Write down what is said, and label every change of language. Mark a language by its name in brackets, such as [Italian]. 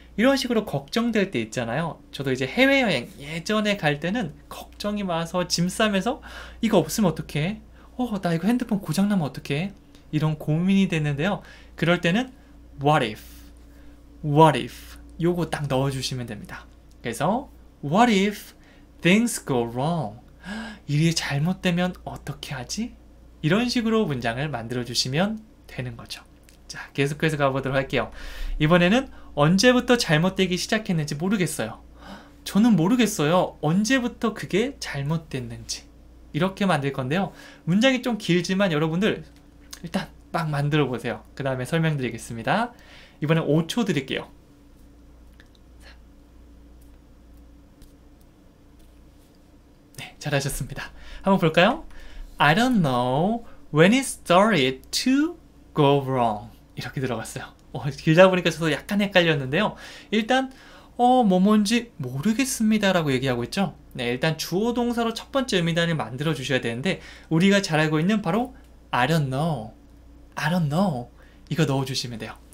[Korean] 이런 식으로 걱정될 때 있잖아요. 저도 이제 해외여행 예전에 갈 때는 걱정이 많아서 짐 싸면서 이거 없으면 어떡해? 나 이거 핸드폰 고장 나면 어떡해? 이런 고민이 됐는데요. 그럴 때는 [English] what if, what if [Korean] 요거 딱 넣어주시면 됩니다. 그래서 [English] what if things go wrong? [Korean] 일이 잘못되면 어떻게 하지? 이런 식으로 문장을 만들어 주시면 되는 거죠. 자, 계속해서 가보도록 할게요. 이번에는 언제부터 잘못되기 시작했는지 모르겠어요. 저는 모르겠어요. 언제부터 그게 잘못됐는지. 이렇게 만들 건데요. 문장이 좀 길지만 여러분들 일단 막 만들어 보세요. 그 다음에 설명드리겠습니다. 이번엔 5초 드릴게요. 네, 잘하셨습니다. 한번 볼까요? [English] I don't know when it started to go wrong. [Korean] 이렇게 들어갔어요. 길다 보니까 저도 약간 헷갈렸는데요. 일단 뭐뭔지 모르겠습니다라고 얘기하고 있죠. 네, 일단 주어 동사로 첫 번째 의미단을 만들어 주셔야 되는데 우리가 잘 알고 있는 바로 [English] I don't know, I don't know [Korean] 이거 넣어 주시면 돼요.